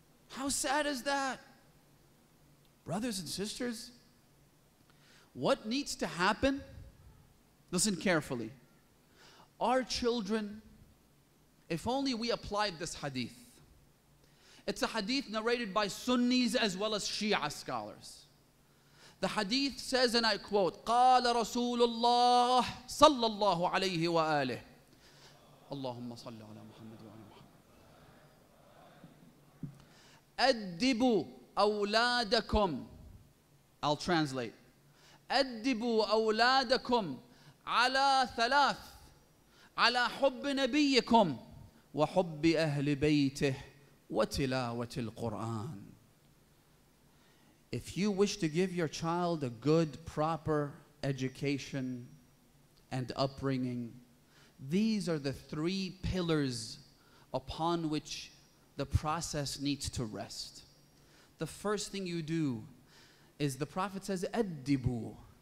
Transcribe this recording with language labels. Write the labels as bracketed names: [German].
[English] How sad is that? Brothers and sisters, what needs to happen? Listen carefully. Our children, if only we applied this hadith. It's a hadith narrated by Sunnis as well as Shia scholars. The hadith says, and I quote, [Arabic] قال رسول الله صلى الله عليه وآله اللهم صل على محمد وعلى محمد أدبوا أولادكم. [English] I'll translate. [Arabic] أدبوا أولادكم على ثلاث على حب نبيكم وحب أهل بيته وَتِلَاوَةِ الْقُرْآنِ. [English] If you wish to give your child a good, proper education and upbringing, these are the three pillars upon which the process needs to rest. The first thing you do is, the Prophet says, أَدِّبُ.